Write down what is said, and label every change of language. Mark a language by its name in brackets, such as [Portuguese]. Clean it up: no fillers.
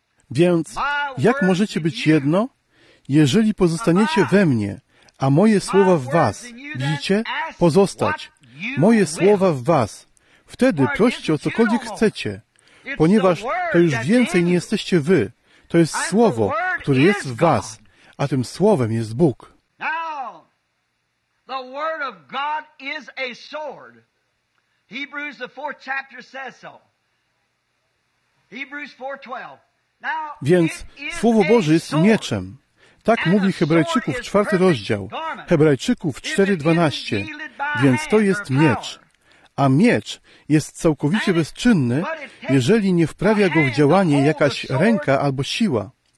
[Polish] Więc jak możecie być jedno, jeżeli pozostaniecie we mnie, a moje słowa w was, widzicie? Pozostać. Moje słowa w was. Wtedy proście o cokolwiek chcecie, ponieważ to już więcej nie jesteście wy. To jest słowo, które jest w was, a tym słowem jest Bóg. [English] The word of God is a sword. Hebrews, the fourth chapter, says so. Hebrews 4:12. [Polish] Now, więc Słowo Boże jest mieczem. Tak mówi Hebrajczyków, czwarty rozdział. Hebrajczyków 4:12. Więc to jest miecz. A miecz jest całkowicie bezczynny, jeżeli nie wprawia go w działanie jakaś ręka albo siła.